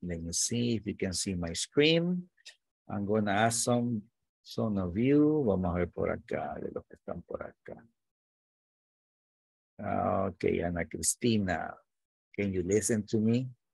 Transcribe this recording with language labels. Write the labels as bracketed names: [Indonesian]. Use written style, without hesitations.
[English] Let me see if you can see my screen. I'm going to ask some of you. [Spanish] Vamos a ver por acá, de los que están por acá. [English] Okay, Ana Cristina, can you listen to me?